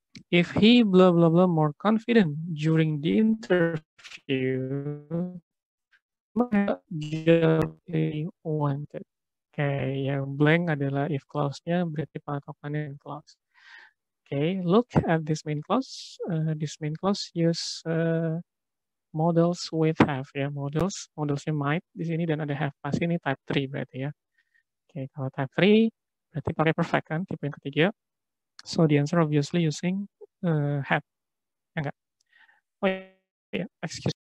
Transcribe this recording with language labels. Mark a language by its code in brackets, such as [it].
[en] If he blah blah blah more confident during the interview, [id] maka dia [en] wanted. [id] Okay, yang blank adalah if clause-nya berarti patokannya in clause. [en] Okay, look at this main clause. This main clause use models with have ya. [id] Models, modelsnya might di sini dan ada have. Pasti ini type 3 berarti ya. Okay, kalau type 3 berarti pakai perfect kan, tipe yang ketiga. [en] So the answer obviously using have. [id] Ya enggak. [en] Oh ya, yeah, excuse.